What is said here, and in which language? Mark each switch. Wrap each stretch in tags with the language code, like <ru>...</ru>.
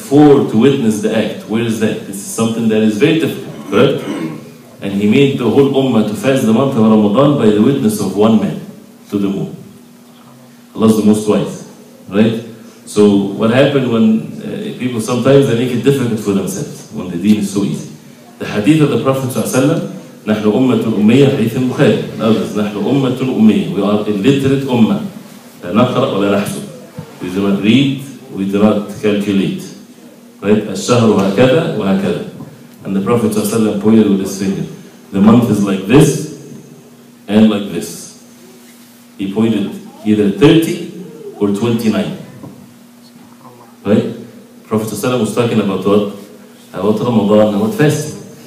<en>Four to witness the act. Where is that? This is something that is very difficult, correct? And he made the whole ummah to fast the month of Ramadan by the witness of one man to the moon. Allah is the most wise, right? So what happened when people sometimes they make it difficult for themselves when the deen is so easy? The hadith of the Prophet ﷺ,</en> <ar>نحن أمة أمية حديث البخاري</ar> <en>and others,</en> <ar>نحن أمة أمية,</ar> <en>we are illiterate ummah,</en> <ar>لا نقرأ ولا نحسب,</ar> <en>we do not read, we do not calculate, right?</en> <ar>الشهر هكذا وهكذا,</ar> <en>and the Prophet ﷺ pointed with his finger, the month is like this and like this. He pointed either 30 or 29. Right? Prophet ﷺ was talking about what? About Ramadan, about fasting.</en>